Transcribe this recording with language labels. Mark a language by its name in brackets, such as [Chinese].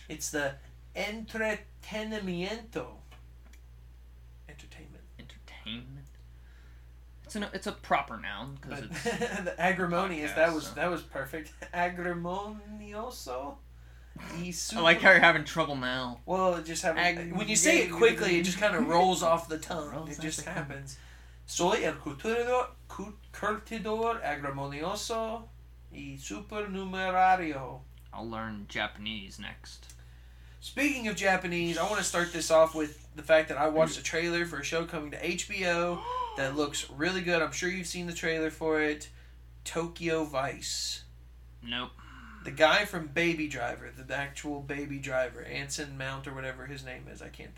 [English] It's the entretenimiento. Entertainment. It's a proper noun. Cause but, it's the agrimonious, podcast, that was perfect. [Spanish] Agrimonioso. [English] I like how you're having trouble now. Well, just having when you say it quickly, it just kind of rolls off the tongue. It just happens. [Spanish] Soy el curtidor agrimonioso y supernumerario. [English] I'll learn Japanese next. Speaking of Japanese, I want to start this off with the fact that I watched a trailer for a show coming to HBO that looks really good. I'm sure you've seen the trailer for it. Tokyo Vice. Nope. The guy from Baby Driver, the actual Baby Driver, Anson Mount or whatever his name is, I can't think